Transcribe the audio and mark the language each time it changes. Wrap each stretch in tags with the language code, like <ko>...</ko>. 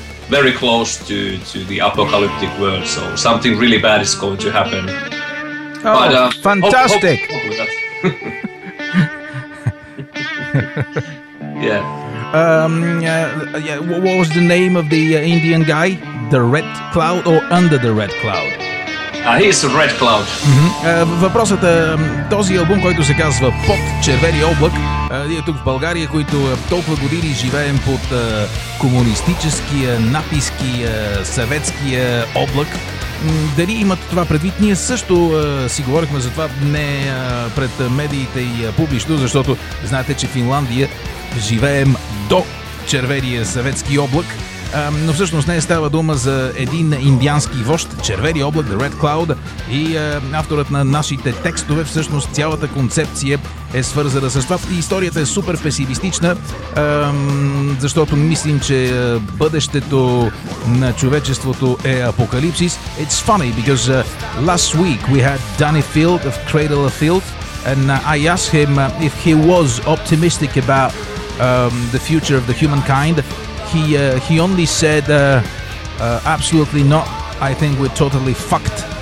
<en>very close to the apocalyptic world, so something really bad is going to happen. Oh, but, fantastic! Yeah. What was the name of the Indian guy? The Red Cloud or Under the Red Cloud? He is the Red Cloud.</en> <bg>Въпросът е този албум, който се казва Под червени облак. Ние тук в България, които толкова години живеем под комунистическия, натиския, съветския облак. Дали имат това предвид? Ние също си говорихме за това не пред медиите и публично, защото знаете, че Финландия живеем до червения съветски облак, но всъщност не става дума за един индиански вожд, червени облак, The Red Cloud, и авторът на нашите текстове, всъщност цялата концепция е свързана с това. Историята е супер песимистична, защото мислим, че бъдещето на човечеството е апокалипсис.</bg> <en>It's funny, because last week we had Danny Field of Cradle of Field, and I asked him if he was optimistic about the future of the humankind. He only said absolutely not. I think we're totally fucked.</en>